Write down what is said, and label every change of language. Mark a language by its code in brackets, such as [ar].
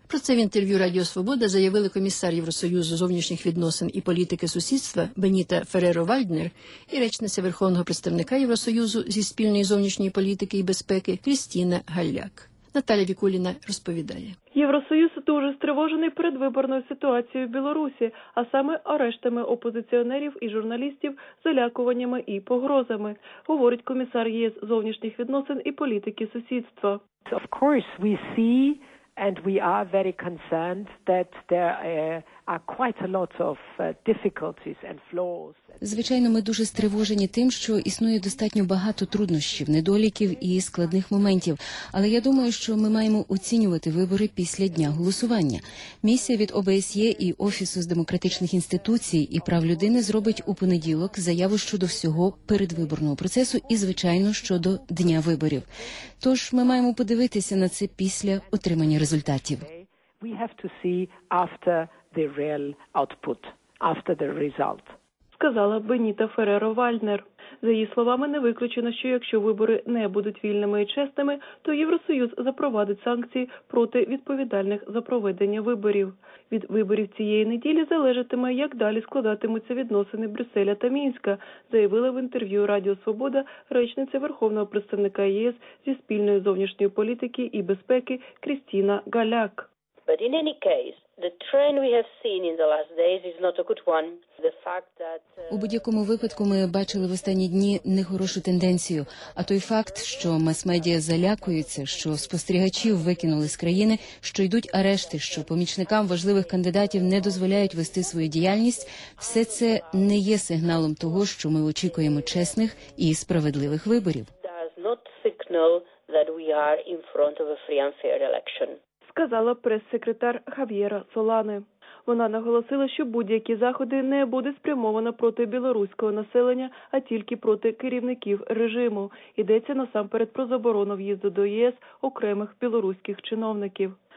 [uk] Про це в інтерв'ю Радіо Свобода заявили комісар Євросоюзу зовнішніх відносин і політики сусідства Беніта Фереро-Вальднер і речниця Верховного представника Євросоюзу зі спільної зовнішньої політики і безпеки Крістіна Галляк. Наталя Вікуліна розповідає. Євросоюз дуже стривожений передвиборною ситуацією в Білорусі, а саме арештами опозиціонерів і журналістів, залякуваннями і погрозами, говорить комісар ЄС зовнішніх відносин і політики сусідства. [en] Of course, we see and we are very concerned that there are quite a lot of difficulties and flaws. [uk] Звичайно, ми дуже стривожені тим, що існує достатньо багато труднощів, недоліків і складних моментів. Але я думаю, що ми маємо оцінювати вибори після дня голосування. Місія від ОБСЄ і Офісу з демократичних інституцій і прав людини зробить у понеділок заяву щодо всього передвиборного процесу і, звичайно, щодо дня виборів. Тож ми маємо подивитися на це після отримання результатів. [en] We have to see after the real output, after the result. [uk] Сказала Беніта Фереро-Вальднер. За її словами, не виключено, що якщо вибори не будуть вільними і чесними, то Євросоюз запровадить санкції проти відповідальних за проведення виборів. Від виборів цієї неділі залежатиме, як далі складатимуться відносини Брюсселя та Мінська, заявила в інтерв'ю Радіо Свобода речниця Верховного представника ЄС зі спільної зовнішньої політики і безпеки Крістіна Галяк. [en] But in any case, the trend we have seen in the last days is not a good one. The fact that [uk] у будь-якому випадку ми бачили в останні дні нехорошу тенденцію, а той факт, що мас-медіа залякуються, що спостерігачів викинули з країни, що йдуть арешти, що помічникам важливих кандидатів не дозволяють вести свою діяльність, все це не є сигналом того, що ми очікуємо чесних і справедливих виборів. [en] Does not signal that we are in front of a free and fair election. [uk] Сказала прес-секретар Хав'єра Солани. Вона наголосила, що будь-які заходи не буде спрямовано проти білоруського населення, а тільки проти керівників режиму. Йдеться насамперед про заборону в'їзду до ЄС окремих білоруських чиновників.